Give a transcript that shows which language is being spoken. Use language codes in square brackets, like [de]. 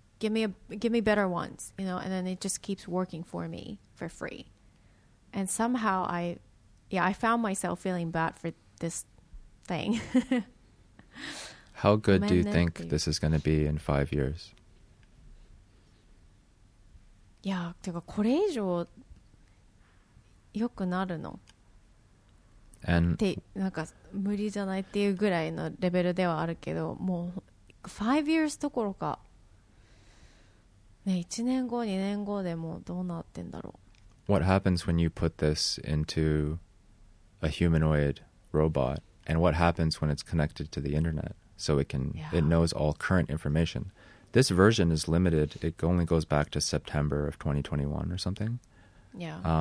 [en] Give me better ones, you know, and then it just keeps working for me for free. And somehow I found myself feeling bad for this thing. How good do you think this is going to be in 5 years? [ja] いや、てかこれ以上良くなるの? [en] And [ja] なんか無理じゃないっていうぐらいのレベルではあるけどもう [en] 5 years [ja] どころか、ね、1年後2年後でもどうなってんだろう [en] What happens when you put this into a humanoid robot and what happens when it's connected to the internet so it can、yeah. it knows all current information This version is limited it only goes back to September of 2021 or something Yeah